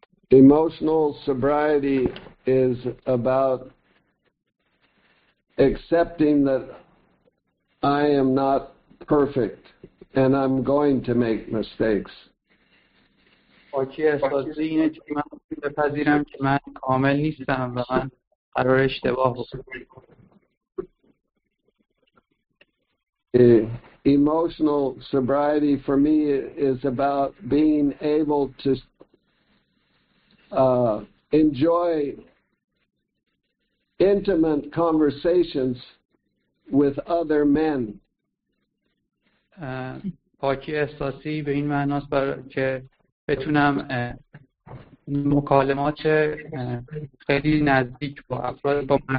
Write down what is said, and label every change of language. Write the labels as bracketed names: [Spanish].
[English] Emotional sobriety is about accepting that I am not perfect and I'm going to make mistakes. [Persian] پاکی احساسی اینه که من بپذیرم که من کامل نیستم و من قرار اشتباه بکنم. [English] Emotional sobriety for me is about being able to enjoy intimate conversations with other men. [Persian] پاکی احساسی به این معناست که بتونم مکالمات خیلی نزدیک با افراد با